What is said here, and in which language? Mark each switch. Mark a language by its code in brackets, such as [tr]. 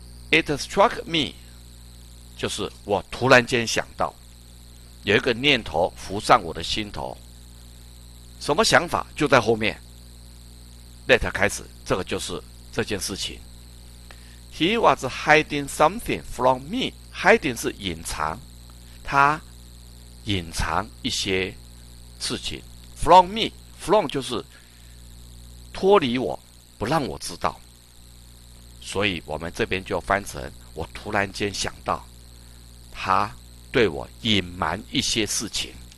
[en] It struck me [zh] 就是我突然间想到，有一个念头浮上我的心头，什么想法就在后面 let 开始，这个就是这件事情。 [en] He was hiding something from me. [zh] Hiding 是隐藏，他隐藏一些事情。 [en] From me, [zh] from 就是脱离我，不让我知道。所以我们这边就翻成，我突然间想到，他对我隐瞒一些事情。